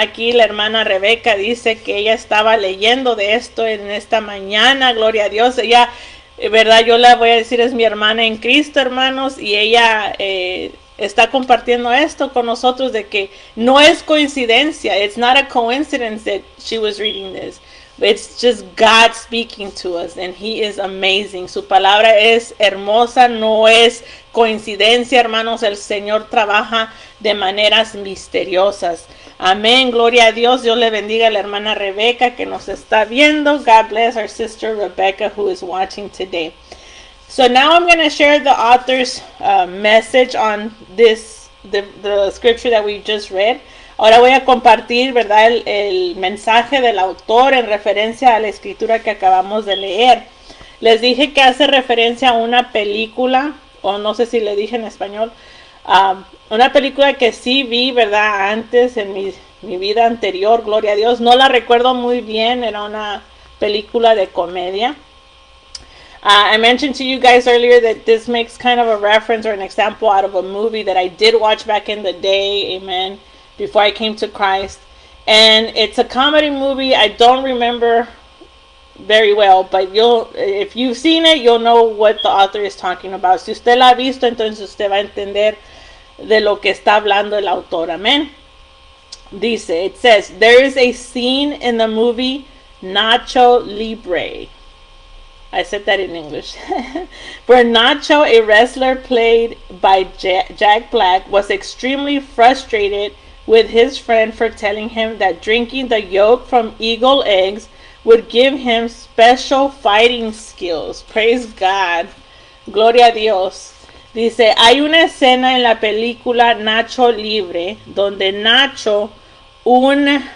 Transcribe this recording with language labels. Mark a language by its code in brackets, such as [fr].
[es] Aquí la hermana Rebeca dice que ella estaba leyendo de esto en esta mañana. Gloria a Dios. Ella, ¿verdad? Yo la voy a decir, es mi hermana en Cristo, hermanos, y ella está compartiendo esto con nosotros, de que no es coincidencia. [en] It's not a coincidence that she was reading this. It's just God speaking to us, and He is amazing. [es] Su palabra es hermosa, no es coincidencia, hermanos. El Señor trabaja de maneras misteriosas. Amén, gloria a Dios. Dios le bendiga a la hermana Rebeca que nos está viendo. [en] God bless our sister Rebecca who is watching today. So now I'm going to share the author's message on this, the scripture that we just read. [es] Ahora voy a compartir, ¿verdad?, el mensaje del autor en referencia a la escritura que acabamos de leer. Les dije que hace referencia a una película, o no sé si le dije en español, una película que sí vi, ¿verdad?, antes en mi vida anterior, gloria a Dios. No la recuerdo muy bien, era una película de comedia. [en] I mentioned to you guys earlier that this makes kind of a reference or an example out of a movie that I did watch back in the day, amen, before I came to Christ. And it's a comedy movie I don't remember very well, but if you've seen it, you'll know what the author is talking about. [es] Si usted la ha visto, entonces usted va a entender de lo que está hablando el autor, amen. Dice, [en] it says, there is a scene in the movie Nacho Libre. I said that in English. Where Nacho, a wrestler played by Jack Black, was extremely frustrated with his friend for telling him that drinking the yolk from eagle eggs would give him special fighting skills. Praise God. [es] Gloria a Dios. Dice, hay una escena en la película Nacho Libre donde Nacho, un